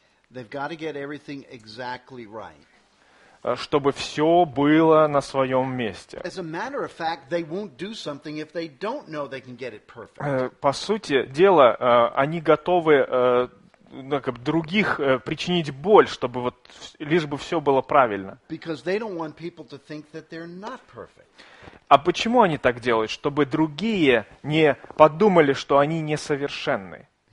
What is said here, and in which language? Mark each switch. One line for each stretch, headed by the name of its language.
English: They've got to get everything exactly right.
Russian: Чтобы все было на своем месте.
English: As a matter of fact, they won't do something if they don't know they can get it perfect.
Russian: По сути дела, они готовы других причинить боль, чтобы вот лишь бы все было правильно.
English: Because they don't want people to think that they're not perfect.
Russian: А почему они так делают? Чтобы другие не подумали, что они несовершенны.